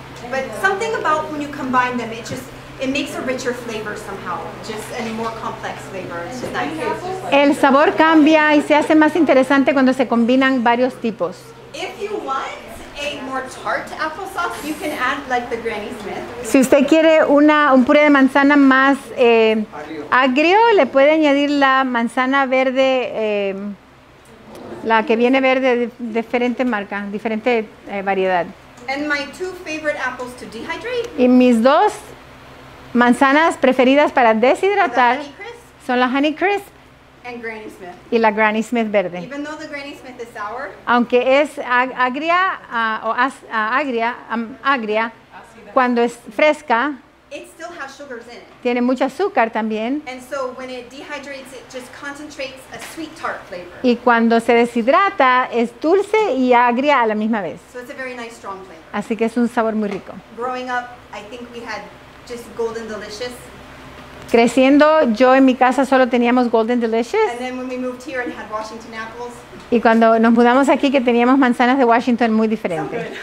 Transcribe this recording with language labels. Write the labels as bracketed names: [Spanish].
[English] But something about when you combine them, it makes a richer flavor somehow, just a more complex flavor. It's just nice. [Spanish] El sabor cambia y se hace más interesante cuando se combinan varios tipos. [English] If you want a more tart applesauce, you can add like the Granny Smith. [Spanish] Si usted quiere un puré de manzana más agrio, le puede añadir la manzana verde, la que viene verde de diferente marca, diferente variedad. [English] And my two favorite apples to dehydrate. [Spanish] Y mis dos manzanas preferidas para deshidratar son la Honeycrisp [English] and Granny Smith. [Spanish] Y la Granny Smith verde. [English] Even though the Granny Smith is sour, [Spanish] aunque es agria, cuando es fresca, [English] it still has sugars in it. [Spanish] Tiene mucho azúcar también. [English] And so when it dehydrates, it just concentrates a sweet tart flavor. [Spanish] Y cuando se deshidrata, es dulce y agria a la misma vez. [English] So it's a very nice strong flavor. [Spanish] Así que es un sabor muy rico. [English] Growing up, I think we had just Golden Delicious. [Spanish] Creciendo, yo en mi casa solo teníamos Golden Delicious. [English] And then when we moved here and had Washington apples. [Spanish] Y cuando nos mudamos aquí que teníamos manzanas de Washington muy diferentes.